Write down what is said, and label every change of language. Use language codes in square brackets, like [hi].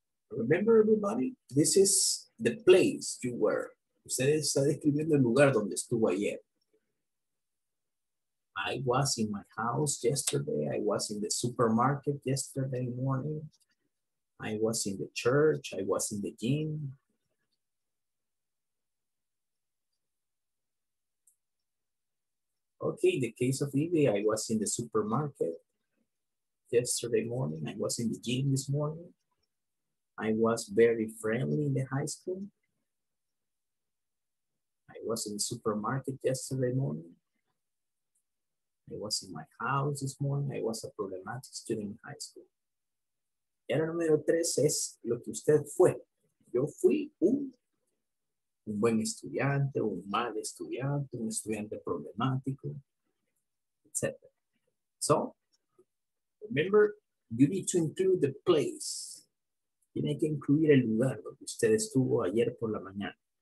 [en] Remember, everybody, this is the place you were. [es] Usted está describiendo el lugar donde estuvo ayer. [en] I was in my house yesterday. I was in the supermarket yesterday morning. I was in the church. I was in the gym. Okay, in the case of Evie, I was in the supermarket yesterday morning. I was in the gym this morning. I was very friendly in the high school. I was in the supermarket yesterday morning. I was in my house this morning. I was a problematic student in high school. [es] Y ahora número tres es lo que usted fue. Yo fui un un buen estudiante, un mal estudiante, un estudiante problemático, etc. [en] So, remember, you need to include the place. [es] Tiene que incluir el lugar donde usted estuvo ayer por la mañana.